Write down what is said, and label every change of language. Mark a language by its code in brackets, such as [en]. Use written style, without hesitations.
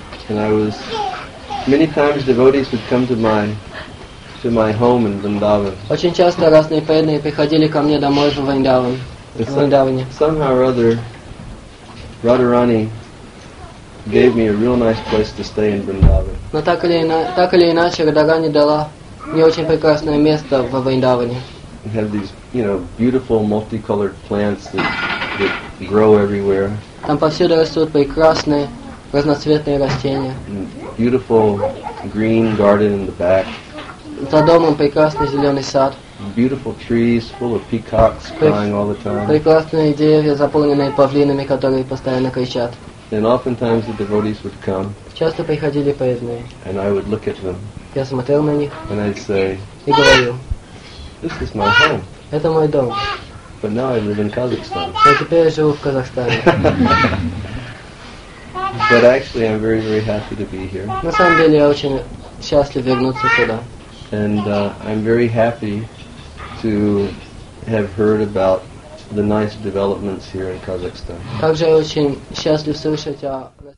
[en] And I was many times devotees would come to my home in Vrindavan. [ru] Очень часто разные преданные приходили ко мне домой в Вриндаван. [en] Somehow or other, Radharani gave me a real nice place to stay in Vrindavan. [ru] Но так или иначе, Радхарани дала мне очень прекрасное место в Вриндаване. [en] We have these, you know, beautiful multicolored plants that grow everywhere. [ru] Там повсюду растут прекрасные разноцветные растения. [en] Beautiful green garden in the back. [ru] За домом прекрасный зеленый сад. [en] Beautiful trees full of peacocks crying all the time. [ru] Прекрасные деревья, заполненные павлинами, которые постоянно кричат. [en] And oftentimes the devotees would come. [ru] Часто приходили преданные. [en] And I would look at them. [ru] Я смотрел на них. [en] And I'd say. [ru] И говорил. [en] This is my home. [ru] Это мой дом. [en] But now I live in Kazakhstan. [ru] Но теперь я живу в Казахстане. [en] But actually, I'm very, very happy to be here. [ru] На самом деле, я очень счастлив вернуться сюда. [en] And I'm very happy to have heard about the nice developments here in Kazakhstan. [ru] Также я очень счастлив слышать о